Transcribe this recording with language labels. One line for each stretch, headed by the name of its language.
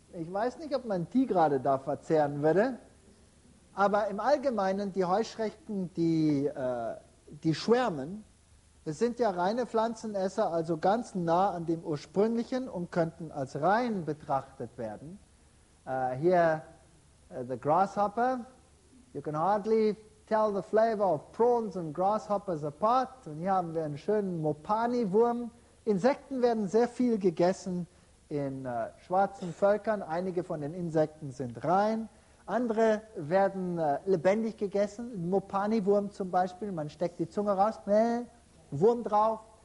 German: Ich weiß nicht, ob man die gerade da verzehren würde. Aber im Allgemeinen, die Heuschrecken, die schwärmen, sind ja reine Pflanzenesser, also ganz nah an dem Ursprünglichen und könnten als rein betrachtet werden.
English: The grasshopper, you can hardly tell the flavor of prawns and grasshoppers apart.
German: Und hier haben wir einen schönen Mopani-Wurm. Insekten werden sehr viel gegessen in schwarzen Völkern. Einige von den Insekten sind rein. Andere werden lebendig gegessen. Mopani-Wurm zum Beispiel. Man steckt die Zunge raus, Wurm drauf.